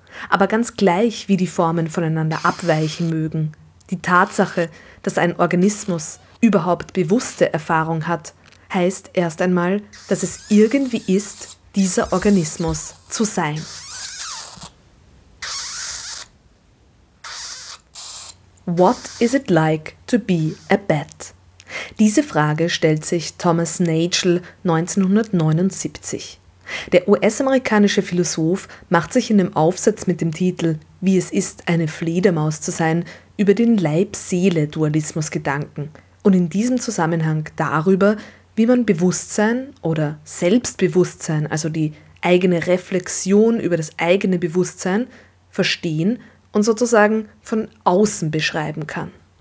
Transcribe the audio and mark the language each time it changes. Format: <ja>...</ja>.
<de>Aber ganz gleich, wie die Formen voneinander abweichen mögen, die Tatsache, dass ein Organismus überhaupt bewusste Erfahrung hat, heißt erst einmal, dass es irgendwie ist, dieser Organismus zu sein.</de> <en>What is it like to be a bat?</en> <de>Diese Frage stellt sich Thomas Nagel 1979. Der US-amerikanische Philosoph macht sich in einem Aufsatz mit dem Titel »Wie es ist, eine Fledermaus zu sein« über den Leib-Seele-Dualismus Gedanken und in diesem Zusammenhang darüber, wie man Bewusstsein oder Selbstbewusstsein, also die eigene Reflexion über das eigene Bewusstsein, verstehen und sozusagen von außen beschreiben kann.</de>